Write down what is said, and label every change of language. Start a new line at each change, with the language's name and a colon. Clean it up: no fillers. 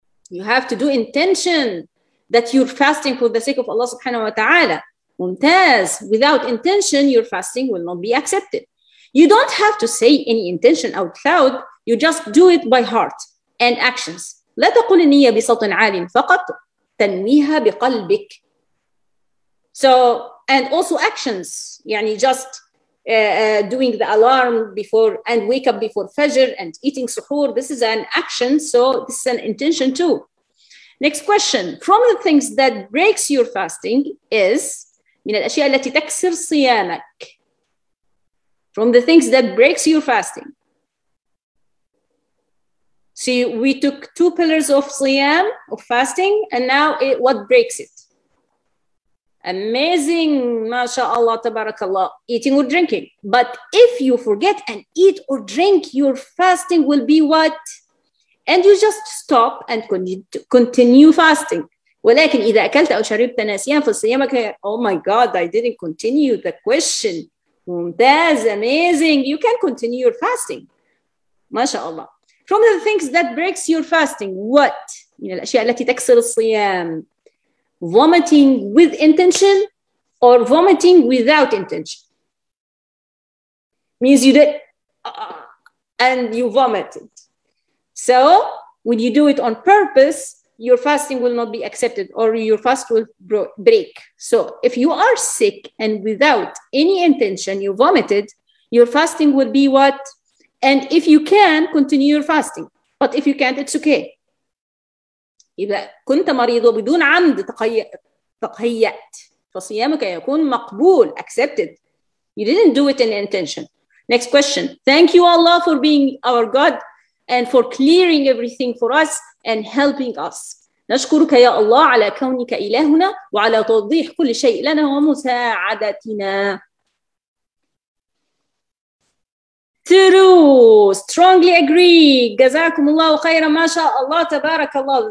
English: You have to do intention that you're fasting for the sake of Allah subhanahu wa ta'ala. Mumtaz. Without intention, your fasting will not be accepted. You don't have to say any intention out loud. You just do it by heart and actions.
Arabic: لا تقول النية بصوت عال فقط تنويها بقلبك.
English: So, and also actions. يعني just doing the alarm before and wake up before Fajr and eating suhoor. This is an action. So this is an intention too. Next question. From the things that breaks your fasting is
Arabic: من الأشياء التي تكسر صيامك.
English: From the things that breaks your fasting. See, we took two pillars of siyam, of fasting, and now it, what breaks it? Amazing. MashaAllah, tabarakallah. Eating or drinking. But if you forget and eat or drink, your fasting will be what? And you just stop and continue fasting.
Arabic: ولكن إذا أكلت أو شربت ناسيا فصيامك.
English: Oh my God, I didn't continue the question. That's amazing. You can continue your fasting.
Arabic: ما شاء الله.
English: From the things that breaks your fasting, what?
Arabic: من الأشياء التي تكسر الصيام.
English: Vomiting with intention or vomiting without intention. Means you did and you vomited. So, when you do it on purpose, your fasting will not be accepted or your fast will break. So, if you are sick and without any intention, you vomited, your fasting will be what? And if you can, continue your fasting. But if you can't, it's okay.
Arabic: إذا كنت مريض وبدون عمد تقيأت فصيامك يكون مقبول, accepted.
English: You didn't do it in intention. Next question. Thank you, Allah, for being our God. And for clearing everything for us and helping us.
Arabic: نشكرك يا الله على كونك إلهنا وعلى توضيح كل شيء لنا ومساعدتنا.
English: True. Strongly agree.
Arabic: جزاكم الله خيرا ما شاء الله تبارك الله.